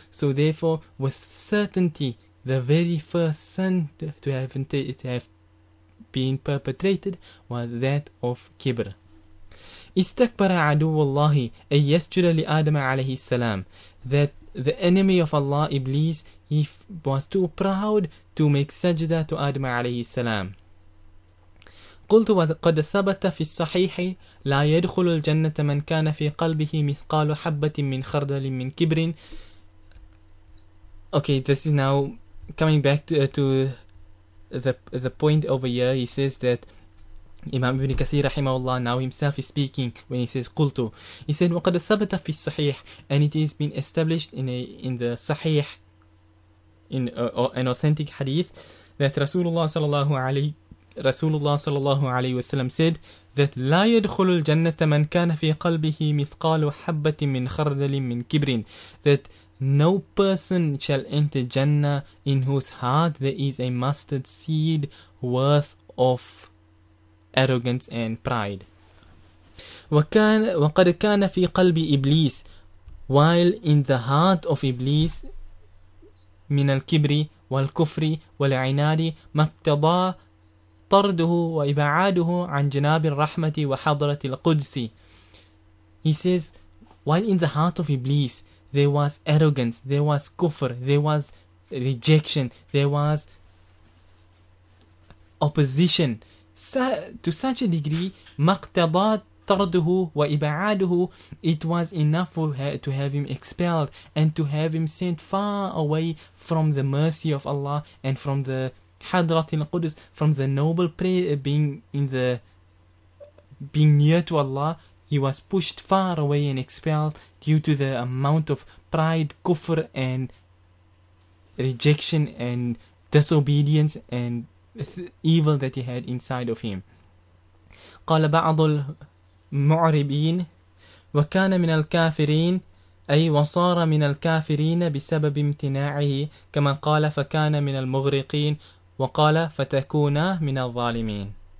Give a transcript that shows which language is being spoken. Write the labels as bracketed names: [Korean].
[English] So therefore, with certainty, the very first sin to have been perpetrated was that of kibr. [Arabic] Istakbara aduwallahi ay yasjuda li Adam alayhi salam. [English] That the enemy of Allah, Iblis, he was too proud to make sajda to Adam alayhi salam. [Arabic] قلت وقد ثبت في الصحيح لا يدخل الجنة من كان في قلبه مثقال حبة من خردل من كبر. [English] Okay, this is now coming back to the point over here. He says that Imam Ibn Kathir rahimahullah, now himself is speaking when he says [Arabic] قلت. [English] He said [Arabic] وقد ثبت في الصحيح, [English] and it has been established in the sahih, an authentic hadith, that Rasulullah sallallahu alayhi wa sallam said that [Arabic] لا يدخل الجنة من كان في قلبه مثقال حبة من خردل من كبر. [English] That no person shall enter Jannah in whose heart there is a mustard seed worth of arrogance and pride. [Arabic] وقد كان في قلب إبليس, [English] while in the heart of Iblis, [Arabic] من الكبر والكفر والعناد ما ابتضى طرده وإبعاده عن جناب الرحمة وحضرة القدس. [English] He says, while in the heart of Iblis, there was arrogance, there was kufr, there was rejection, there was opposition. To such a degree, [Arabic] ما اقتضى طرده وإبعاده, [English] it was enough to have him expelled and to have him sent far away from the mercy of Allah and from the [Arabic] حضرات القدس, [English] from the noble prayer, being near to Allah. He was pushed far away and expelled due to the amount of pride, kufr, and rejection and disobedience and evil that he had inside of him. [Arabic] قال بعض المعربين وكان من الكافرين أي وصار من الكافرين بسبب امتناعه كما قال فكان من المغرقين وقال فتكون من الظالمين.